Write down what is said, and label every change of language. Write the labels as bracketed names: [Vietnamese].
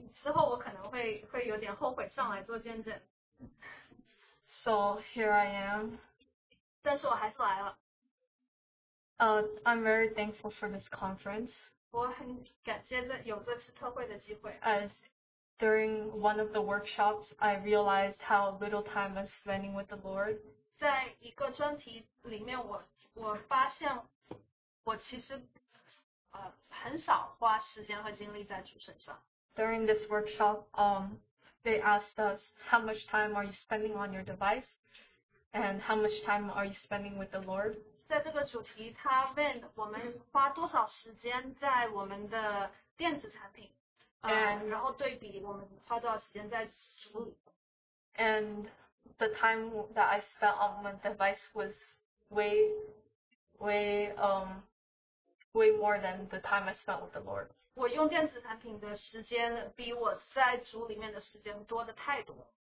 [Chinese] 他说有可能之后我可能会有点后悔上来做见证. [English] So here I am. [Chinese] 但是我还是来了. [English] I'm very thankful for this conference. [Chinese] 我很感谢有这次特会的机会. [English] During one of the workshops, I realized how little time I'm spending with the Lord. [Chinese] 在一个专题里面，我发现我其实很少花时间和精力在主身上。 [English] During this workshop, they asked us, how much time are you spending on your device? And how much time are you spending with the Lord? [Chinese] 在这个主题, 他问我们花多少时间在我们的电子产品, [English] and the time that I spent on my device was way more than the time I spent with the Lord. [Chinese] 我用电子产品的时间比我在主里面的时间多得太多。